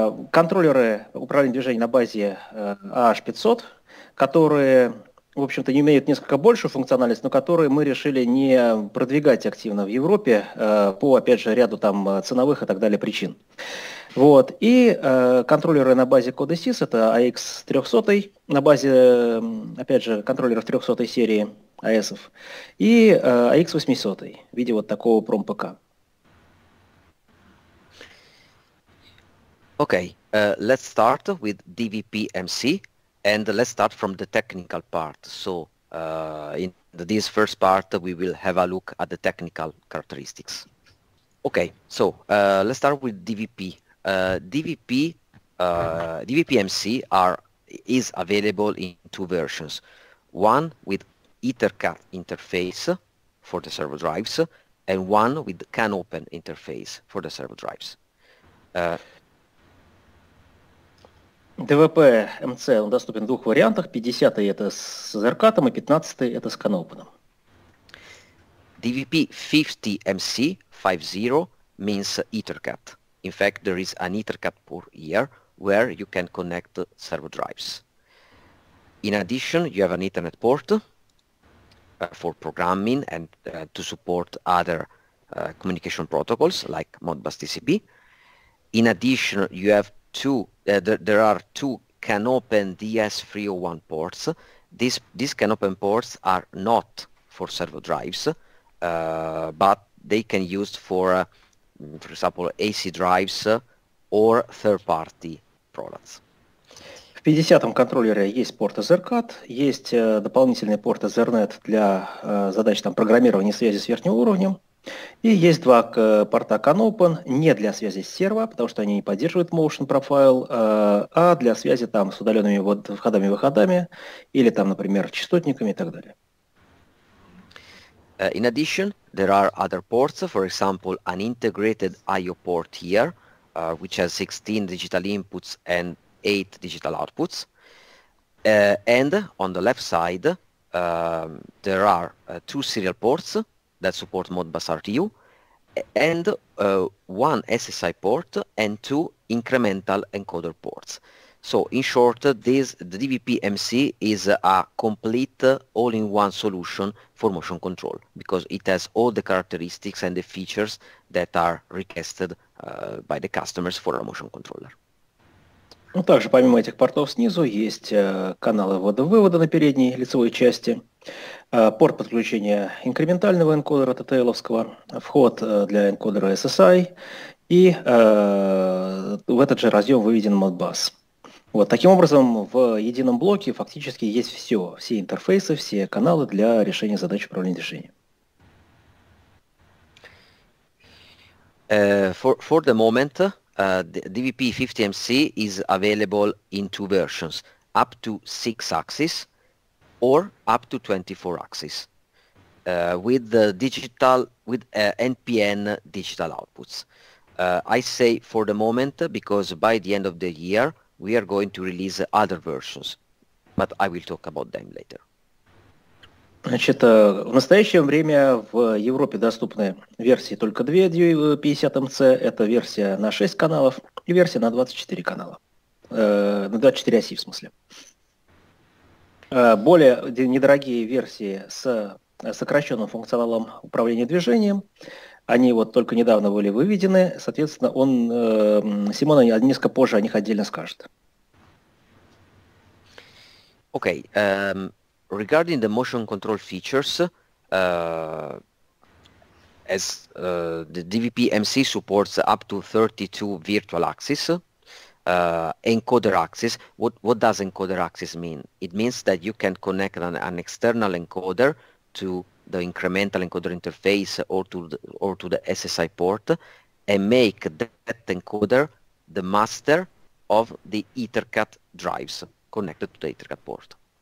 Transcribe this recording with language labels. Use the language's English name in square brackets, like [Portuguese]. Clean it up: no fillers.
[Russian] Контроллеры управления движением на базе AH500, которые, в общем-то, не имеют несколько большую функциональность, но которые мы решили не продвигать активно в Европе по, опять же, ряду там ценовых и так далее причин. Вот. И контроллеры на базе CODESYS, это AX300, на базе, опять же, контроллеров 300 серии АЭСов, и AX800 в виде вот такого промпк. [English] Okay, let's start with DVP-MC, and let's start from the technical part. So, in this first part, we will have a look at the technical characteristics. Okay, so let's start with DVP. DVP-MC is available in two versions. One with EtherCAT interface for the servo drives, and one with CAN-OPEN interface for the servo drives. [Russian] DVP-MC доступен в двух вариантах. 50-й это с EtherCAT-ом, и 15-й это с CAN-OPEN-ом. [English] DVP-50-MC, 50, means EtherCAT. In fact, there is an EtherCAT port here where you can connect servo drives. In addition, you have an Ethernet port for programming and to support other communication protocols like Modbus TCP. In addition, you have two CANopen DS301 ports. These CANopen ports are not for servo drives, but they can be used for example, AC drives or third-party products. [Russian] В 50-м контроллере есть порт EtherCAT, есть дополнительный порт Ethernet для задач там, программирования связи с верхним уровнем, и есть два порта CANopen, не для связи с серво, потому что они не поддерживают motion profile, а для связи там, с удаленными вот, входами-выходами, или, там, например, частотниками и так далее. [English] In addition, there are other ports, for example, an integrated I/O port here, which has 16 digital inputs and 8 digital outputs. And on the left side, there are two serial ports that support Modbus RTU, and one SSI port and two incremental encoder ports. So in short, the DVP-MC is a complete all-in-one solution for motion control, because it has all the characteristics and the features that are requested by the customers for a motion controller. [Russian] Ну, также помимо этих портов снизу есть каналы ввода-вывода на передней лицевой части, порт подключения инкрементального энкодера TTL-овского, вход для энкодера SSI, и в этот же разъем выведен Modbus. Вот, таким образом, в едином блоке фактически есть все, все интерфейсы, все каналы для решения задач управления движением. [English] For the moment, the DVP-50MC is available in two versions, up to 6 axes or up to 24 axes, with the digital, with NPN digital outputs. I say for the moment because by the end of the year, we are going to release other versions, but I will talk about them later. [Russian] Значит, в настоящее время в Европе доступны версии только две DVP-50MC. Это версия на 6 каналов и версия на 24 канала. На 24 оси, в смысле. Более недорогие версии с сокращенным функционалом управления движением. Они вот только недавно были выведены. Соответственно, он, Симона, несколько позже о них отдельно скажет. [English] Okay. Regarding the motion control features, as the DVP-MC supports up to 32 virtual axes, encoder axes. What does encoder axes mean? It means that you can connect an external encoder to the incremental encoder interface or to the SSI port and make that encoder the master of the EtherCAT drives connected to the EtherCAT port.